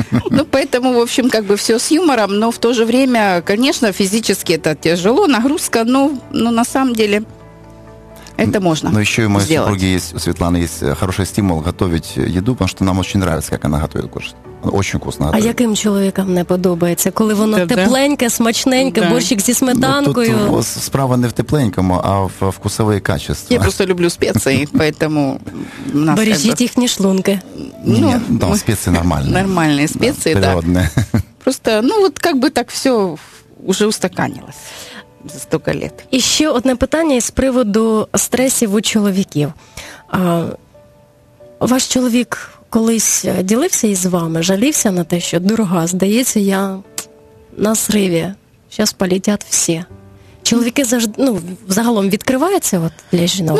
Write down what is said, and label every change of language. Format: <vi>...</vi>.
<ru>Ну, поэтому, в общем, как бы все с юмором, но в то же время, конечно, физически это тяжело, нагрузка, но на самом деле... Это можно. Но еще и у моей супруги есть, у Светланы есть хороший стимул готовить еду, потому что нам очень нравится, как она готовит кушать. Очень вкусно готовит.</ru> <uk>А яким чоловікам не подобається, коли воно тепленьке, смачненьке, борщик зі сметанкою? Ну, тут справа не в тепленькому, а в вкусовій качестві. Я просто люблю спеції, поэтому... Бережіть їхні шлунки. Ні, там спеції нормальні. Нормальні спеції, так. Природні.</uk> <ru>Просто, ну, от как бы так все уже устаканилось.</ru> <uk>За стільки літ. І ще одне питання із приводу стресів у чоловіків. Ваш чоловік колись ділився із вами, жалівся на те, що, дорога, здається, я на зриві. Зараз полетять всі. Чоловіки завжди, ну, взагалом відкриваються от для жінок?</uk>